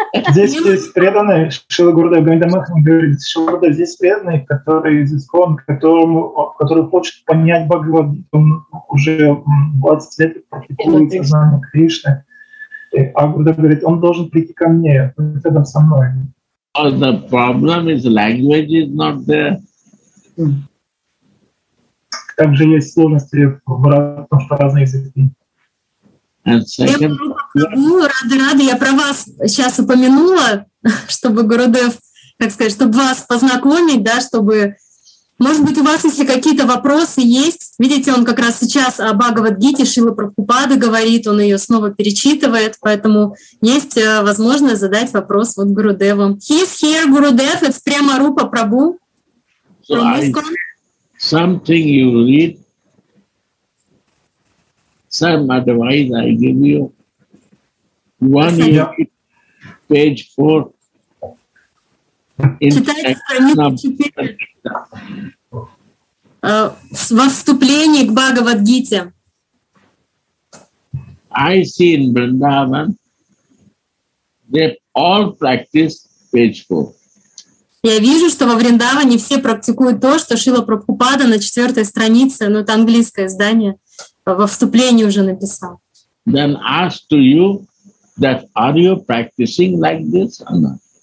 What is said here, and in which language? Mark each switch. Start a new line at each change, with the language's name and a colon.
Russian: Здесь преданный Шрила Гурудев Гавиндамахан говорит, что здесь преданный, который из ИСКОН, который хочет понять Бхагавадгиту, он уже 20 лет практикует сознание Кришны. А Гурудев говорит, он должен прийти ко мне, рядом со мной.
English: Oh, the problem is language is not there.
Russian: Также есть сложности в том, что разные языки. Рады, я про вас сейчас упомянула, чтобы Гурудев, как сказать, чтобы вас познакомить, да, чтобы, может быть, у вас, если какие-то вопросы есть, видите, он как раз сейчас о Бхагавад-гите Шрилы Прабхупады говорит, он ее снова перечитывает, поэтому есть возможность задать вопрос вот Гурудеву.
English: He's here, Gurudev, it's Prema Rupa Prabhu. Something you read. Some advice I give you. One is page 4 in Chaitanya.
Russian: Во вступлении к Бхагавад-гите.
English: I see in Vrindavan they all practice page 4.
Russian: Я вижу, что во Вриндаване все практикуют то, что Шрила Прабхупада на 4-й странице, но это английское издание. Во вступлении уже написал.
English: Then ask to you that are you practicing like this or not?